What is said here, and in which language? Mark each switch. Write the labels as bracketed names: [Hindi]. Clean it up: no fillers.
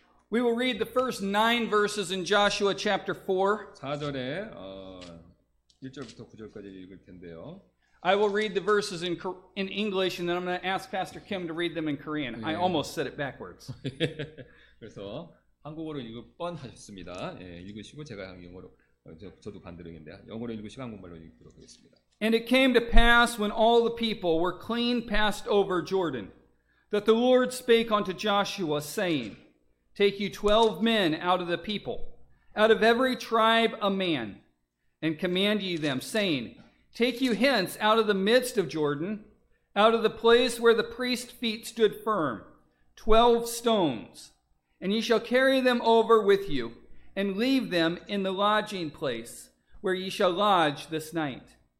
[English] We will read the first 9 verses in Joshua chapter 4. [Korean] 4절에 1절부터 9절까지 읽을 텐데요. [English] I will read the verses in English, and then I'm going to ask Pastor Kim to read them in Korean. 예. I almost said it backwards. [Korean] 그래서 한국어로 읽을 뻔하셨습니다. 예, 읽으시고 제가 영어로. 저도 반대로인데 영어로 읽으시고 한국말로 읽도록 하겠습니다. [English] And it came to pass when all the people were clean passed over Jordan, that the Lord spake unto Joshua, saying, Take you 12 men out of the people, out of every tribe a man, and command ye them, saying, Take you hence out of the midst of Jordan, out of the place where the priest's feet stood firm, 12 stones, and ye shall carry them over with you, and leave them in the lodging place where ye shall lodge this night.